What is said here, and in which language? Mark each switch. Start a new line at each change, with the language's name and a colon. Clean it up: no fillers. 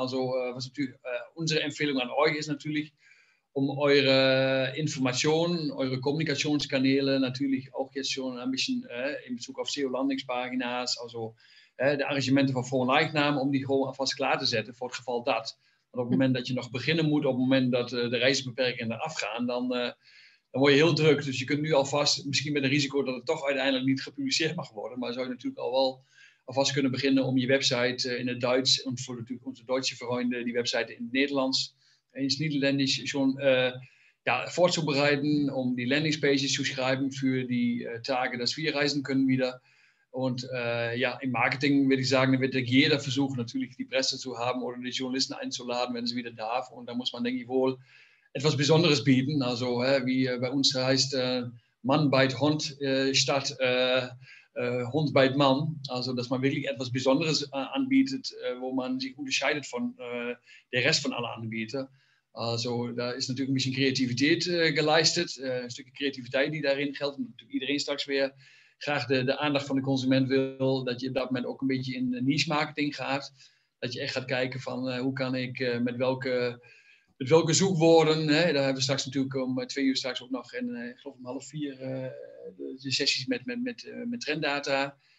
German: Also was natürlich unsere Empfehlung an euch ist natürlich, um eure Informationen, eure Kommunikationskanäle natürlich auch jetzt schon ein bisschen in Bezug auf SEO-Landingspagina's,
Dutch: also de arrangementen van voor- en leidnaam, om die gewoon alvast klaar te zetten voor het geval dat. Want op het moment dat je nog beginnen moet, op het moment dat de reisbeperkingen eraf gaan, dan word je heel druk. Dus je kunt nu alvast, misschien met een risico dat het toch uiteindelijk niet gepubliceerd mag worden, maar zou je natuurlijk al wel alvast kunnen beginnen om je website in het Duits, en voor natuurlijk onze Duitse vrienden, die website in het Nederlands, in het Nederlands, schon voor te bereiden, om die landingspages te schrijven voor die taken dat we reizen kunnen wieder.
German: Und im Marketing würde ich sagen, wird jeder versuchen, natürlich die Presse zu haben oder die Journalisten einzuladen, wenn sie wieder darf. Und da muss man, denke ich, wohl etwas Besonderes bieten. Also wie bei uns heißt Mann beit Hund statt Hund beit Mann. Also dass man wirklich etwas Besonderes anbietet, wo man sich unterscheidet von der Rest von allen Anbietern. Also da ist natürlich ein bisschen Kreativität geleistet, ein Stück Kreativität, die darin gilt. Natürlich
Dutch: iedereen straks weer graag de aandacht van de consument wil, dat je op dat moment ook een beetje in niche marketing gaat. Dat je echt gaat kijken van hoe kan ik met welke zoekwoorden. Hè? Daar hebben we straks natuurlijk om 2 uur straks ook nog en ik geloof om 3:30 de sessies met trenddata.